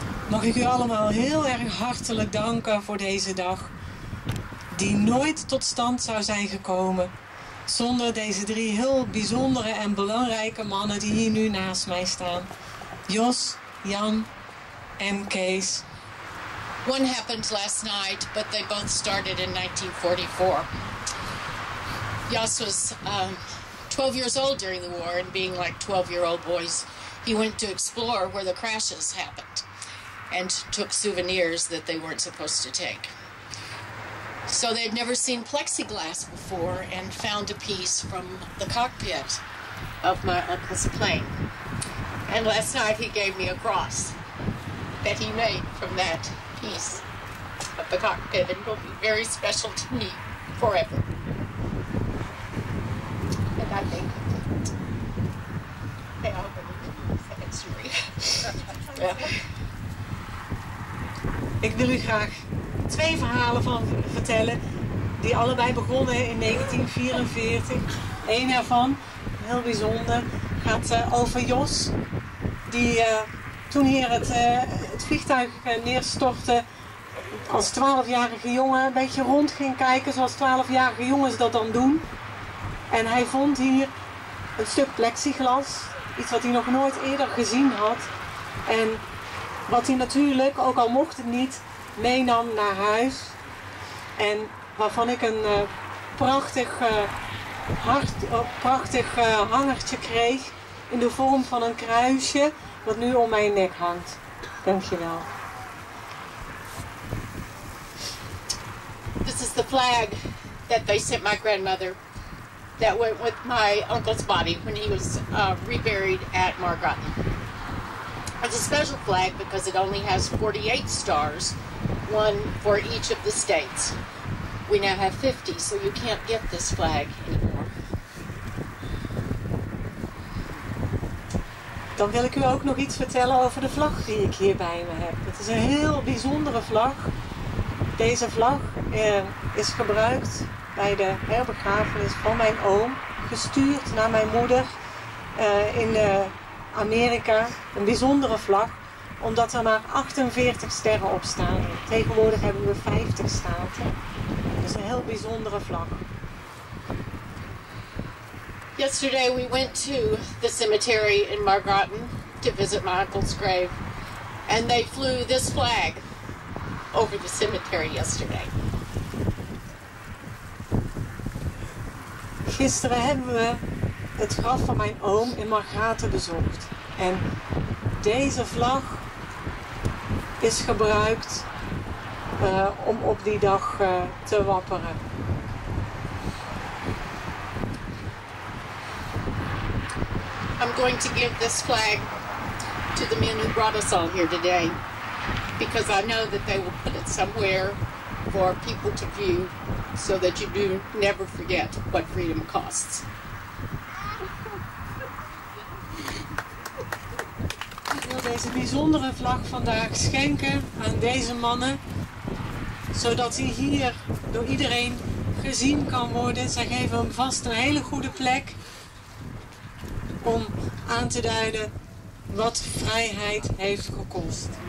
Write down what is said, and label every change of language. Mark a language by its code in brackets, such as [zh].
[nl] Mag ik u allemaal heel erg hartelijk danken voor deze dag, die nooit tot stand zou zijn gekomen zonder deze drie heel bijzondere en belangrijke mannen die hier nu naast mij staan. Jos, Jan en Kees. [en] One happened last night, but they both started in 1944. Jos was 12 years old during the war, and being like 12-year-old boys, he went to explore where the crashes happened and took souvenirs that they weren't supposed to take. So they had never seen plexiglass before and found a piece from the cockpit of my uncle's plane. And last night he gave me a cross that he made from that piece of the cockpit, and will be very special to me forever. And I think they all believe in the second story. [nl] Ik wil u graag twee verhalen van vertellen die allebei begonnen in 1944. Eén ervan, heel bijzonder, gaat over Jos, die toen hier het vliegtuig neerstortte, als 12-jarige jongen een beetje rond ging kijken zoals 12-jarige jongens dat dan doen. En hij vond hier een stuk plexiglas, iets wat hij nog nooit eerder gezien had. En wat hij natuurlijk, ook al mocht het niet, meenam naar huis. En waarvan ik een prachtig hangertje kreeg in de vorm van een kruisje wat nu om mijn nek hangt. Dankjewel. [en] This is the flag that they sent my grandmother that went with my uncle's body when he was reburied at Margotten. It's a special flag because it only has 48 stars, one for each of the states. We now have 50, so you can't get this flag anymore. [nl] Dan wil ik u ook nog iets vertellen over de vlag die ik hier bij me heb. Het is een heel bijzondere vlag. Deze vlag is gebruikt bij de herbegrafenis van mijn oom, gestuurd naar mijn moeder in de Amerika, een bijzondere vlag, omdat er maar 48 sterren op staan. Tegenwoordig hebben we 50 staten. Dat is een heel bijzondere vlag. [en] Yesterday we went to the cemetery in Margotten to visit my uncle's grave. And they flew this flag over the cemetery yesterday. [nl] Gisteren hebben we het graf van mijn oom in Margraten bezocht. En deze vlag is gebruikt om op die dag te wapperen. [en] Yesterday I'm going to give this flag to the men who brought us all here today, because I know that they will put it somewhere for people to view so that you do never forget what freedom costs. [nl] Ik wil deze bijzondere vlag vandaag schenken aan deze mannen, zodat hij hier door iedereen gezien kan worden. Zij geven hem vast een hele goede plek om aan te duiden wat vrijheid heeft gekost.